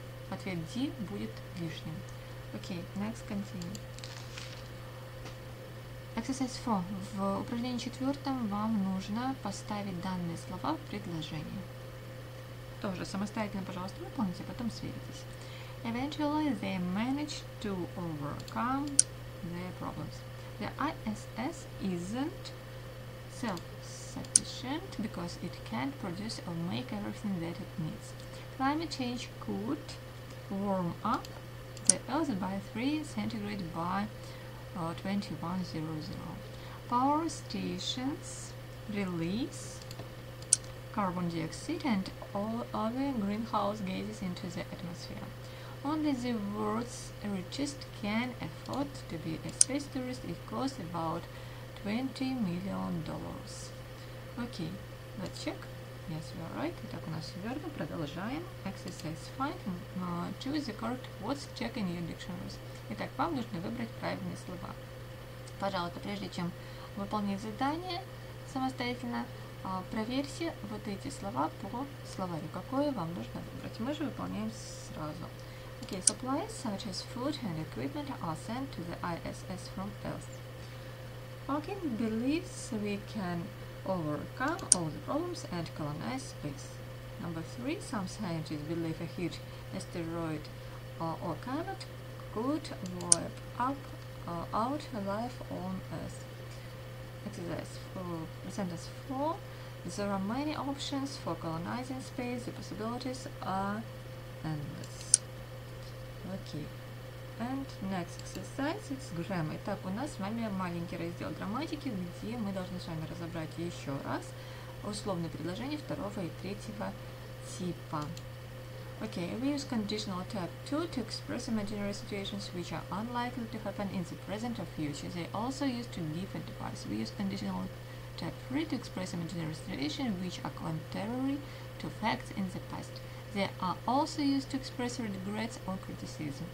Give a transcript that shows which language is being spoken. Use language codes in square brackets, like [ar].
[ru] Ответ D будет лишним. [en] Okay, next continue. Exercise 4. [ru] В упражнении четвертом вам нужно поставить данные слова в предложение. Тоже самостоятельно, пожалуйста, выполните, потом сверитесь. [en] Eventually they managed to overcome their problems. The ISS isn't self-sufficient because it can't produce or make everything that it needs. Climate change could warm up the Earth by 3 centigrade by 2100. Power stations release carbon dioxide and all other greenhouse gases into the atmosphere. Only the world's richest can afford to be a space tourist. It costs about $20 million. Okay, Let's check. Yes, we are right. [ru] Итак, у нас верно. Продолжаем. [en] Exercise 5. Choose the correct words. Check in your dictionaries. [ru] Итак, вам нужно выбрать правильные слова. Пожалуйста, прежде чем выполнить задание самостоятельно, проверьте вот эти слова по словарю. Какое вам нужно выбрать? Мы же выполняем сразу. [en] Okay, supplies such as food and equipment are sent to the ISS from Earth. Hawking believes we can overcome all the problems and colonize space. Number three, some scientists believe a huge asteroid or comet could wipe up out life on Earth. Exercise for sentence four. There are many options for colonizing space. The possibilities are endless. Окей. And next exercise is grammar. [ru] Итак, у нас с вами маленький раздел грамматики, где мы должны с вами разобрать еще раз условные предложения второго и третьего типа. [en] Окей, we use conditional type 2 to express imaginary situations which are unlikely to happen in the present or future. They also used to give advice. We use conditional type 3 to express imaginary situations which are contrary to facts in the past. They are also used to express regrets or criticism.